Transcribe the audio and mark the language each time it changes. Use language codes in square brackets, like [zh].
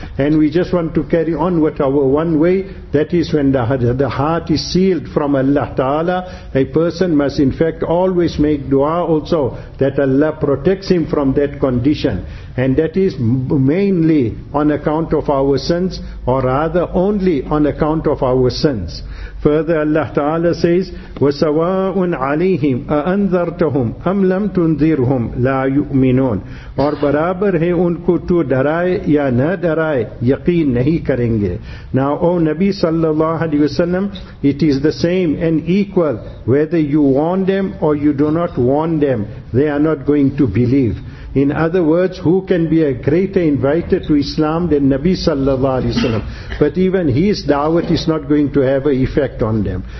[en] And we just want to carry on with our one way. That is when the heart is sealed from Allah Ta'ala, a person must in fact always make dua also that Allah protects him from that condition. And that is mainly on account of our sins, or rather only on account of our sins. Further, Allah Ta'ala says, [ar] وَسَوَاءٌ عَلَيْهِمْ أَأَنذَرْتَهُمْ أَمْ لَمْ تُنذِرْهُمْ لَا يُؤْمِنُونَ [ur] اور برابر ہے ان کو تو ڈرائے یا نہ ڈرائے یقین نہیں کریں گے. [en] Now, O Nabi sallallahu alayhi wa sallam, it is the same and equal whether you warn them or you do not warn them. They are not going to believe. In other words, who can be a greater inviter to Islam than Nabi sallallahu alayhi wa sallam? But even his da'wah is not going to have an effect on them.